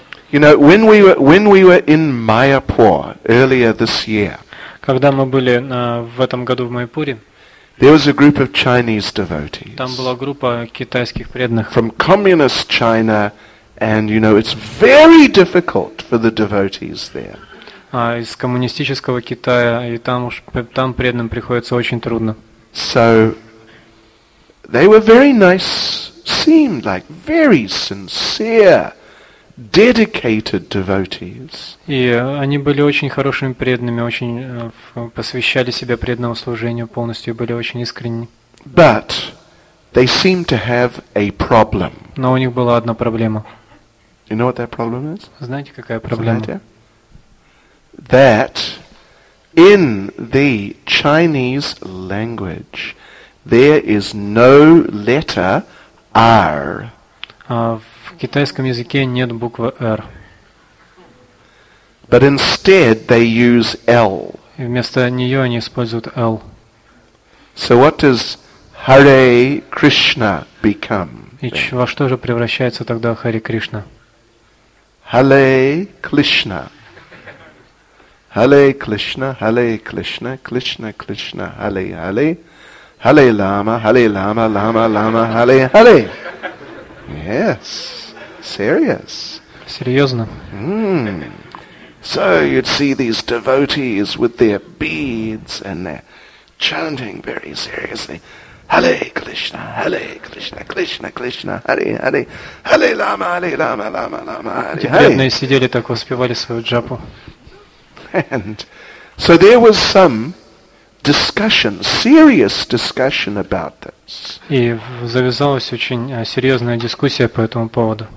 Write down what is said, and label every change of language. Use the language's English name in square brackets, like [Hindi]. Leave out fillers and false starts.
[English] You know, when we were in Mayapur earlier this year. [Russian] Когда мы были в этом году в Майпуре. [English] There was a group of Chinese devotees. [Russian] Там была группа китайских преданных. [English] From communist China And you know, it's very difficult for the devotees there. [Russian] Из коммунистического Китая, и там уж там преданным приходится очень трудно. [English] So they were very nice, seemed like very sincere, dedicated devotees. [Russian] И они были очень хорошими преданными, очень посвящали себя преданному служению полностью, были очень искренни. [English] But they seemed to have a problem. [Russian] Но у них была одна проблема. [English] You know what that problem is? [Russian] Знаете, какая проблема? [English] That in the Chinese language there is no letter R. [Russian] В китайском языке нет буквы R. [English] But instead they use L. [Russian] И вместо нее они используют L. [English] So what does Hare Krishna become? [Russian] И во что же превращается тогда Hare Krishna? [Sanskrit] Hare Krishna. Hare Krishna, Hare Krishna, Krishna Krishna, Hare Hare. Hare Lama, Hare Lama, Lama Lama, Hare Hare. [English] Yes. Serious. [Russian] Серьёзно. [English] So you'd see these devotees with their beads and they're chanting very seriously. [Sanskrit] Hare Krishna, Hare Krishna, Krishna Krishna, Hare Hare. Hare Lama, Hare Lама, Лама Лама, Hare Hare. [Russian] Бедные сидели так, воспевали свою джапу. [English] And so there was some discussion, serious discussion about this. [Russian] И завязалась очень серьезная дискуссия по этому поводу.